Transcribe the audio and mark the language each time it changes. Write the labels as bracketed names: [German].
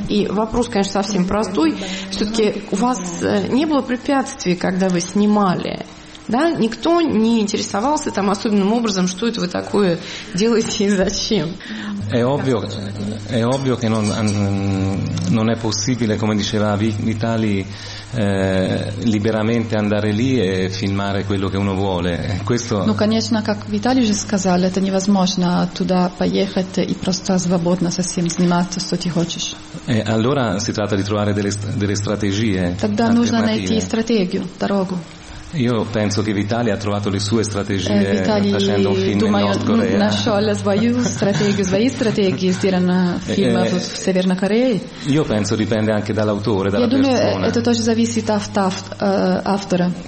[Russian] И вопрос, конечно, совсем простой. Все-таки у вас не было препятствий, когда вы снимали? Да, никто не интересовался там особенным образом, что это вы такое делаете и зачем. [Italian] È ovvio che non è possibile, come diceva Vitali, liberamente andare lì e filmare quello che uno vuole. Questo. [Russian] Ну, конечно, как Виталий уже сказал, это невозможно туда поехать и просто свободно совсем снимать, что ты хочешь. [Italian] E allora si tratta di trovare delle strategie. [Russian] Тогда нужно найти стратегию, дорогу. [Italian] Io penso che Vitali ha trovato le sue strategie facendo un film in North Korea. [Russian] Нашёл свою стратегию, свои стратегии, сделано фильм в Северной Корее. [Italian] Io penso dipende anche dall'autore, dalla persona. [Russian] Это тоже зависит от автора.